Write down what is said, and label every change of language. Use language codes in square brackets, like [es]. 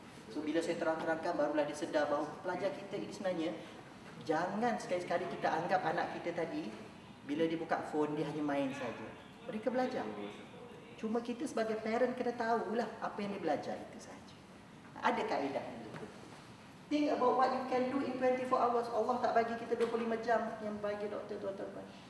[ms] So bila saya terang-terangkan, barulah dia sedar bahawa pelajar kita ini sebenarnya jangan sekali-sekali kita anggap anak kita tadi bila dia buka phone dia hanya main saja. Mereka belajar. Cuma kita sebagai parent kena tahulah apa yang dia belajar itu saja. Ada kaedah. [en] Think about what you can do in 24 hours. [ms] Allah tak bagi kita 25 jam yang bagi doktor tuan-tuan.